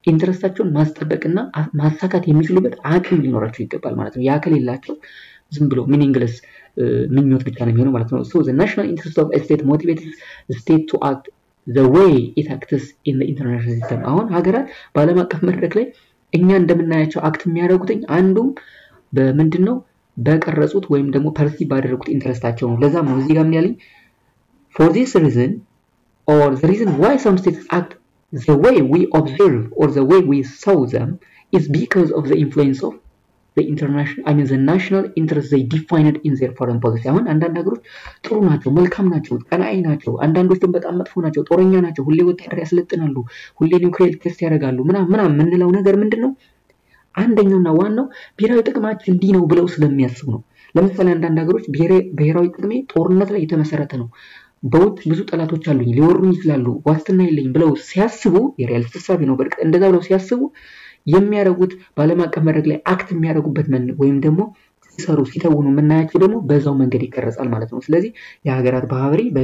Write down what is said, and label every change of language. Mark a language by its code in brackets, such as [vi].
[am] ኢንትረስታቸውን ማስጠበቅና ማሳካት የሚችሉበት አቅም ሊኖራቸው ይገባል ማለት ነው። ያ ከሌላቸው ዝም ብሎ ሚኒንግለስ ምኞት ብቻ ነው የሚሆነው ማለት ነው። [en] So the national interest of a state motivates the state to act the way it acts in the international system. [am] አሁን ሀገራት በዓለም አቀፍ መድረክ ላይ እኛ እንደምናያቸው አክት የሚያደርጉትኝ አንዱም በምንድን ነው? በቀረጹት ወይም ደግሞ ፐርሲ ባደረጉት ኢንትረስታቸው ነው። ለዛም ነው እዚህ ጋር ምን ያለኝ [en] for this reason or the reason why some states act the way we observe or the way we saw them is because of the influence of the national interest they defined in their foreign policy. [am] አሁን አንዳንድ ሀገሮች ጥሩ ናቸው፣ መልካም ናቸው፣ ቀናይ ናቸው። አንዳንዶች ደግሞ በጣም መጥፎ ናቸው፣ ጦረኛ ናቸው፣ ሁሌ ወታደር ያስለጥናሉ፣ ሁሌ ኒውክሌር ቴስት ያደርጋሉ ምናምን ምናምን የምንለው ነገር ምንድን ነው? አንደኛውና ዋናው ብሔራዊ ጥቅማችን እንዲህ ነው ብለው ስለሚያስቡ ነው። ለምሳሌ አንዳንድ ሀገሮች ብሔራዊ ጥቅሜ ጦርነት ላይ የተመሰረተ ነው፣ በውጭ ብዙ ጠላቶች አሉኝ፣ ሊወሩኝ ይችላሉ፣ ዋስትና የለኝ ብለው ሲያስቡ የሪያል ስሳቢ ነው። በእርግጥ እንደዛ ብለው ሲያስቡ የሚያደርጉት በዓለም አቀፍ መድረክ ላይ አክት የሚያደርጉበት ወይም ደግሞ ሲሰሩ ሲተውኑ የምናያቸው ደግሞ በዛው መንገድ ይቀረጻል ማለት ነው። ስለዚህ የሀገራት ባህሪ